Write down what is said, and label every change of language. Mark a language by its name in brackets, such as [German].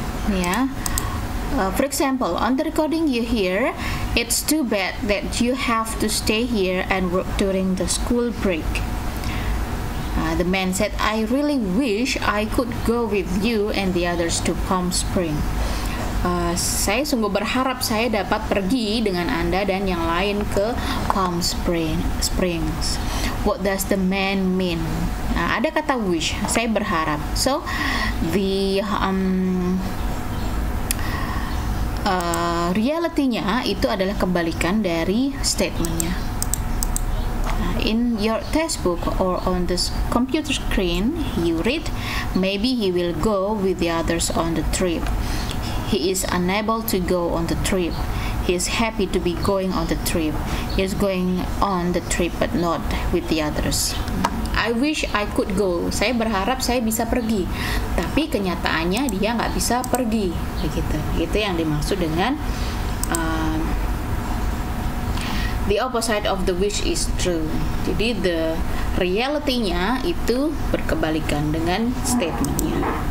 [English] Yeah. For example, on the recording you hear, it's too bad that you have to stay here and work during the school break. The man said, I really wish I could go with you and the others to Palm Spring. [Indonesian] Saya sungguh berharap saya dapat pergi dengan Anda dan yang lain ke Palm Springs. [English] What does the man mean? [Indonesian] Ada kata wish, saya berharap. So, the reality-nya itu adalah kebalikan dari statement-nya. [English] In your textbook or on this computer screen, you read, maybe he will go with the others on the trip. He is unable to go on the trip. He is happy to be going on the trip. He is going on the trip but not with the others. I wish I could go. [Indonesian] Saya berharap saya bisa pergi. Tapi kenyataannya dia nggak bisa pergi. Begitu. Itu yang dimaksud dengan [English] the opposite of the wish is true. [Indonesian] Jadi the reality-nya itu berkebalikan dengan statement-nya.